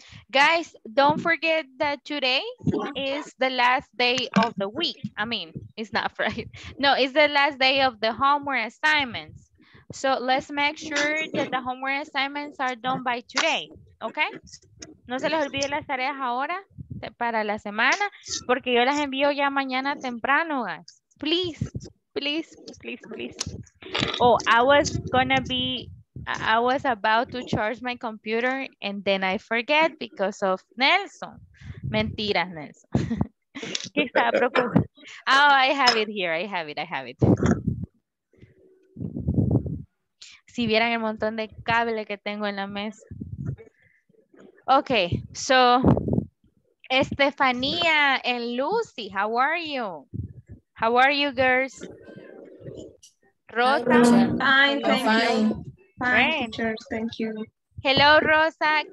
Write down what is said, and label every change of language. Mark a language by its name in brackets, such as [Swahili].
[English] Guys, don't forget that today is the last day of the week. I mean, it's not Friday. No, it's the last day of the homework assignments. So let's make sure that the homework assignments are done by today, okay? [Spanish] No se les olvide las tareas ahora para la semana, porque yo las envío ya mañana temprano, guys. [English] Please. Oh, I was about to charge my computer and then I forget because of Nelson. [Spanish] Mentiras, [English] Nelson. Oh, I have it. [Spanish] Si vieran el montón de cable que tengo en la mesa. [English] Okay, so Estefanía and Lucy, how are you? How are you, girls? Rosa? Fine, thank you. Hello, Rosa.